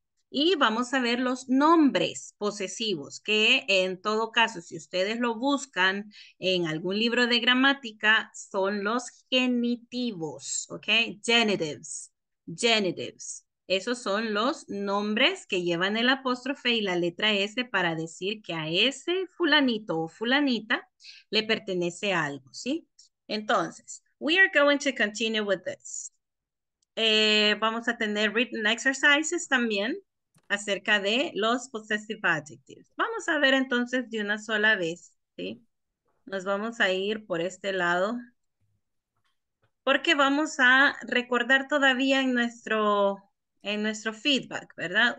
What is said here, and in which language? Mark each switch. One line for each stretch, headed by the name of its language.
Spanish: Y vamos a ver los nombres posesivos, que en todo caso, si ustedes lo buscan en algún libro de gramática, son los genitivos, ¿ok?
English: Genitives, genitives.
Spanish: Esos son los nombres que llevan el apóstrofe y la letra S para decir que a ese fulanito o fulanita le pertenece algo, ¿sí?
English: Entonces, we are going to continue with this.
Spanish: Vamos a tener
English: written exercises
Spanish: también acerca de los possessive adjectives. Vamos a ver entonces de una sola vez, ¿sí? Nos vamos a ir por este lado porque vamos a recordar todavía en nuestro feedback, ¿verdad?